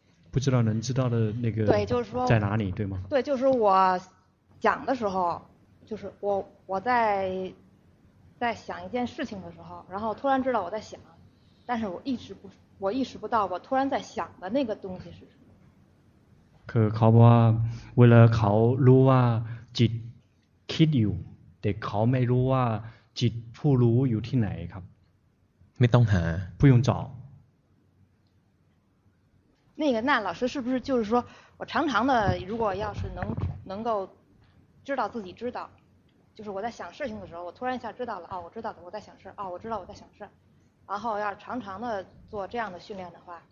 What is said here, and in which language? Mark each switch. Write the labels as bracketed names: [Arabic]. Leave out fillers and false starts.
[Chinese] 不知道能知道的那个对就是说在哪里对吗对就是我想的时候就是我在想一件事情的时候然后突然知道我在想但是我意识不到我突然在想的那个东西是什么 [Thai] คือเขาบอกว่าเวลาเขารู้ว่าจิตคิดอยู่แต่เขาไม่รู้ว่าจิตผู้รู้อยู่ที่ไหนครับ ไม่ต้องหา [Chinese] 不用找那老师是不是就是说我常常的如果要是能够知道自己知道就是我在想事情的时候我突然一下知道了哦我知道了我在想事哦我知道我在想事然后要常常的做这样的训练的话